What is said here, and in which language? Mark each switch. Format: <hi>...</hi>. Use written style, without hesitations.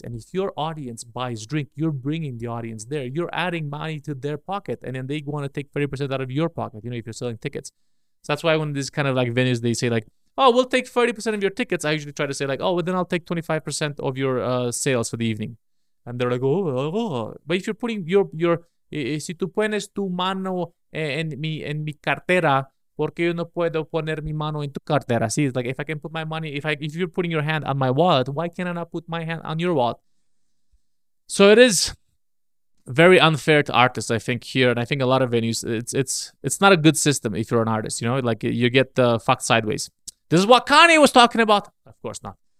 <en>And if your audience buys drink, you're bringing the audience there. You're adding money to their pocket. And then they want to take 30% out of your pocket, you know, if you're selling tickets. So that's why when these kind of like venues, they say like, oh, we'll take 30% of your tickets. I usually try to say like, oh, well, then I'll take 25% of your sales for the evening. And they're like, oh. But if you're putting your</en> <es>si tú pones tu mano en mi cartera, porque yo no puedo poner mi mano en tu cartera.</es> <en>See, it's like, if I can put my money, if you're putting your hand on my wallet, why can't I not put my hand on your wallet? So it is very unfair to artists, I think, here. And I think a lot of venues, it's not a good system if you're an artist, you know? Like, you get fucked sideways. This is what Kanye was talking about. Of course not.</en>